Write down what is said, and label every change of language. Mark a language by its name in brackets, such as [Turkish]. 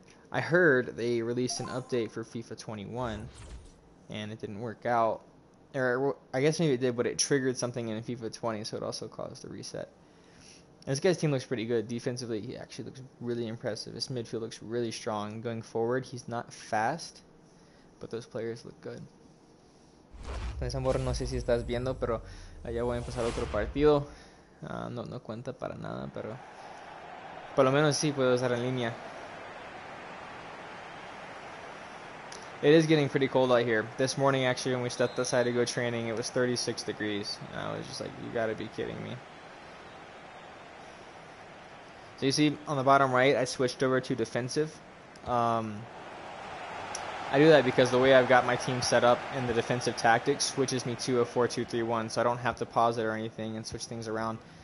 [English] I heard they released an update for FIFA 21, and it didn't work out. Or I guess maybe it did, but it triggered something in FIFA 20, so it also caused the reset. And this guy's team looks pretty good. Defensively, he actually looks really impressive. His midfield looks really strong. Going forward, he's not fast, but those players look good. [Spanish] Entonces, amor, no sé si estás viendo, pero allá voy a empezar otro partido. No cuenta para nada, pero por lo menos sí puedo estar en línea. [English] It is getting pretty cold out here. This morning, actually, when we stepped outside to go training, it was 36 degrees. And I was just like, you gotta be kidding me. So you see, on the bottom right, I switched over to defensive. I do that because the way I've got my team set up in the defensive tactics switches me to a 4-2-3-1, so I don't have to pause it or anything and switch things around.